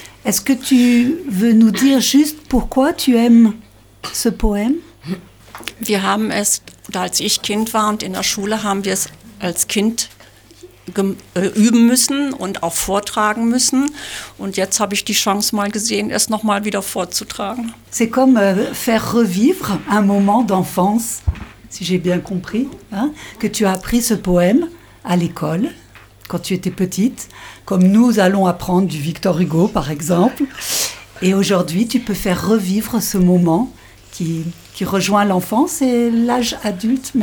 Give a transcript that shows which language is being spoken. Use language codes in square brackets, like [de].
[fr] Est-ce que tu veux nous dire juste pourquoi tu aimes ce poème? [de] Wir haben es, als ich Kind war und in der Schule, haben wir es als Kind üben müssen und auch vortragen müssen. Und jetzt habe ich die Chance mal gesehen, es nochmal wieder vorzutragen. [fr] C'est comme faire revivre un moment d'enfance. Si j'ai bien compris, hein, que tu as appris ce poème à l'école, quand tu étais petite, comme nous allons apprendre du Victor Hugo, par exemple. Et aujourd'hui, tu peux faire revivre ce moment qui rejoint l'enfance et l'âge adulte.